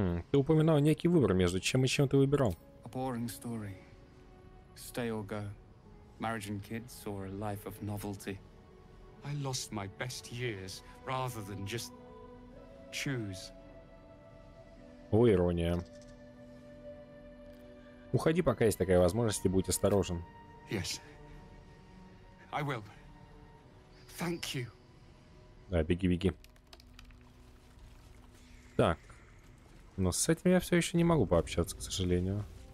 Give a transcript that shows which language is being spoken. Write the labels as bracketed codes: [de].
[ru] Ты упоминал некий выбор между чем и чем ты выбирал. [en] A boring story. Stay or go. Marriage and kids or a life of novelty. I lost my best years rather than just choose. [ru] О, ирония. Уходи, пока есть такая возможность, и будь осторожен. [en] Yes. I will. Thank you. [ru] Да, беги, беги. Так. Но с этим я все еще не могу пообщаться, к сожалению.